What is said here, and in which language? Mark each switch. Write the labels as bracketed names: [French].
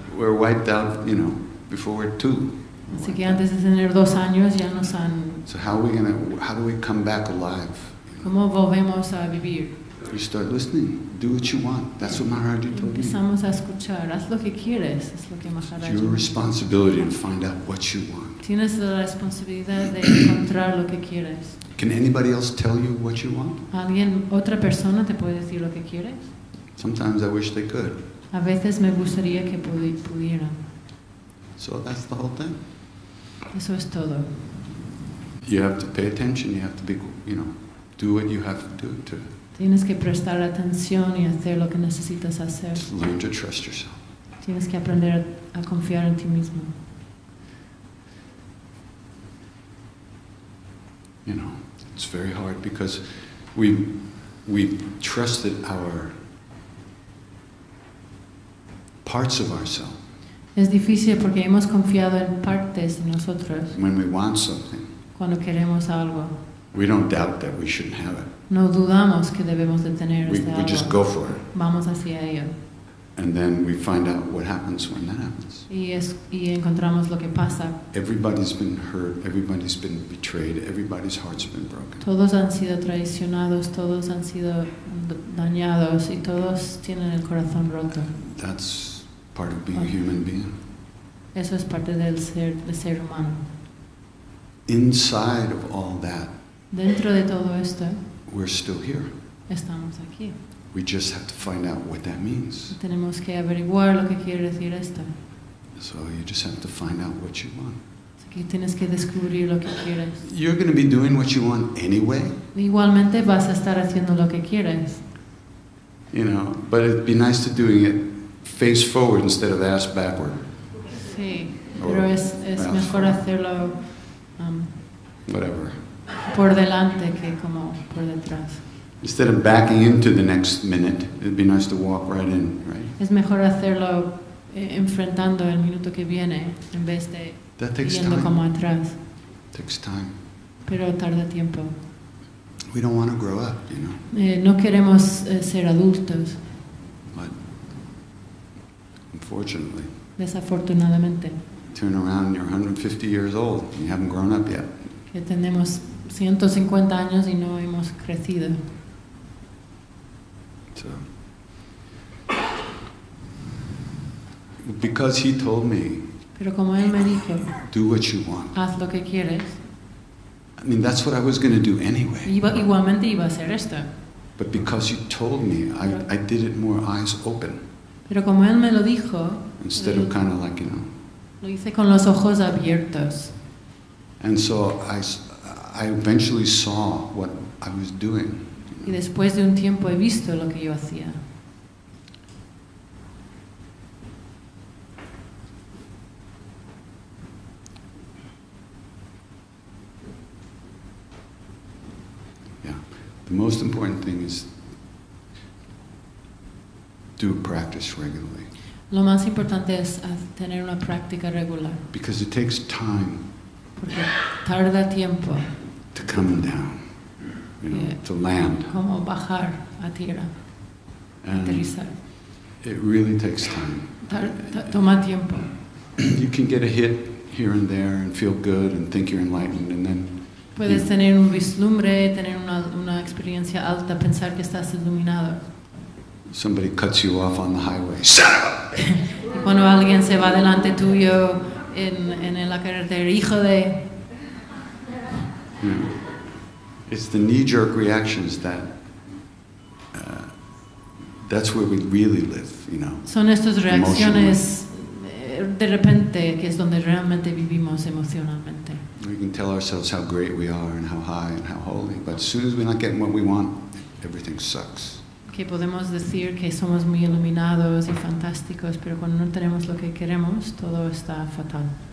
[English] We're wiped out, you know, before we're two. [Spanish] Así que antes de tener 2 años ya nos han. [English] So how do we come back alive? [Spanish] ¿Cómo volvemos a vivir? [English] You start listening. Do what you want. That's what Maharajji told me. [Spanish] Empezamos a escuchar. Haz lo que quieres. Es lo que Maharajji. [English] It's your responsibility to find out what you want. [Spanish] Tienes la responsabilidad de encontrar lo que quieres. [English] Can anybody else tell you what you want? [Spanish] ¿Alguien otra persona te puede decir lo que quieres? [English] Sometimes I wish they could. [Spanish] A veces me gustaría que pudieran. [English] So that's the whole thing. [Spanish] Eso es todo. [English] You have to pay attention. You have to be, you know, do what you have to do to. [Spanish] Tienes que prestar atención y hacer lo que necesitas hacer. [English] To learn to trust yourself. [Spanish] Tienes que aprender a confiar en ti mismo. [English] You know, it's very hard because we trusted our parts of ourselves. [Spanish] Es difícil porque hemos confiado en partes de nosotros. [English] When we want something. [Spanish] Cuando queremos algo. [English] We don't doubt that we shouldn't have it. [Spanish] No dudamos que debemos de tener [English] we, [Spanish] este [English] we [Spanish] algo. [English] We just go for it. [Spanish] Vamos hacia ello. [English] And then we find out what happens when that happens. [Spanish] Y encontramos lo que pasa. [English] Everybody's been hurt, everybody's been betrayed, everybody's heart's been broken. [Spanish] Todos han sido traicionados, todos han sido dañados, y todos tienen el corazón roto. [English] That's part of being a human being. [Spanish] Eso es parte del ser, de ser humano. [English] Inside of all that, [Spanish] dentro de todo esto, [English] we're still here. [Spanish] Estamos aquí. [English] We just have to find out what that means. [Spanish] Tenemos que averiguar lo que quiere decir esto. [English] So you just have to find out what you want. [Spanish] Así que tienes que descubrir lo que quieres. [English] You're going to be doing what you want anyway. [Spanish] Igualmente vas a estar haciendo lo que quieres. [English] You know, but it'd be nice to doing it face forward instead of ass backward. [Spanish] Sí, pero es mejor hacerlo. [English] Whatever. [Spanish] Por delante que como por detrás. [English] Instead of backing into the next minute, it'd be nice to walk right in, right? [Spanish] Es mejor hacerlo enfrentando el minuto que viene en vez de yendo como atrás. [English] Takes time. [Spanish] Pero tarda tiempo. [English] We don't want to grow up, you know. [Spanish] No queremos ser adultos. [English] But unfortunately. [Spanish] Desafortunadamente. [English] Turn around, you're 150 years old, and you haven't grown up yet. [Spanish] Que tenemos 150 años y no hemos crecido. [English] So, because he told me, [Spanish] pero como él me dijo, [English] do what you want. [Spanish] Haz lo que quieres. [English] I mean, that's what I was going to do anyway. [Spanish] Igualmente iba a hacer esto. [English] But because he told me, I did it more eyes open. [Spanish] Pero como él me lo dijo, [English] instead of kind of like, you know. [Spanish] Lo hice con los ojos abiertos. [English] And so I eventually saw what I was doing. [Spanish] Y después de un tiempo he visto lo que yo hacía. [English] Yeah. The most important thing is do practice regularly. [Spanish] Lo más importante es tener una práctica regular. [English] Because it takes time. [Spanish] Porque tarda tiempo. [English] To come down. You know, to land. [Spanish] Como bajar a tierra. Aterrizar. [English] It really takes time. [Spanish] Toma tiempo. [English] You can get a hit here and there and feel good and think you're enlightened and then. [Spanish] Puedes tener un vislumbre, tener una experiencia alta, pensar que estás iluminado. [English] Somebody cuts you off on the highway. Shut up! [Spanish] Cuando alguien se va delante tuyo en la carretera, hijo de. [English] Yeah. It's the knee-jerk reactions that that's where we really live, you know. [Spanish] Son estas reacciones de repente que es donde realmente vivimos emocionalmente. [English] We can tell ourselves how great we are and how high and how holy, but as soon as we're not getting what we want, everything sucks. [Spanish] Que podemos decir que somos muy iluminados y fantásticos, pero cuando no tenemos lo que queremos, todo está fatal.